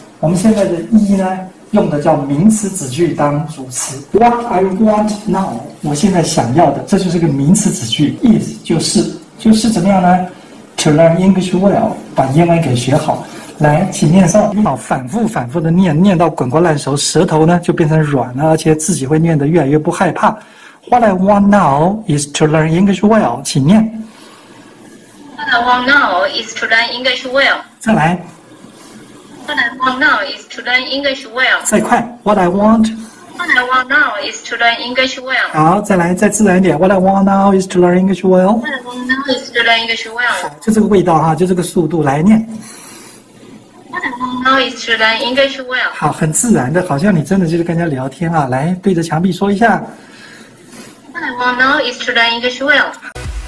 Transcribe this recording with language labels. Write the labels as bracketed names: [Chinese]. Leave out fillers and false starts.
[Chinese] 我们现在的一呢用的叫名词子句当主词， [English] What I want now， [Chinese] 我现在想要的，这就是个名词子句。 Is 就是怎么样呢？ [English] To learn English well， [Chinese] 把英文给学好。来，请念诵，好，反复反复的念，念到滚瓜烂熟，舌头呢就变成软了，而且自己会念得越来越不害怕。 [English] What I want now is to learn English well， [Chinese] 请念。 [English] What I want now is to learn English well。 [Chinese] 再来。 [English] What I want now is to learn English well。 [Chinese] 再快。 [English] What I want now is to learn English well。 [Chinese] 好，再来，再自然一点。 [English] What I want now is to learn English well。 What I want now is to learn English well。 [Chinese] 好，就这个味道哈，就这个速度来念。 [English] What I want now is to learn English well。 [Chinese] 好，很自然的，好像你真的就是跟人家聊天啊。来，对着墙壁说一下。 [English] What I want now is to learn English well。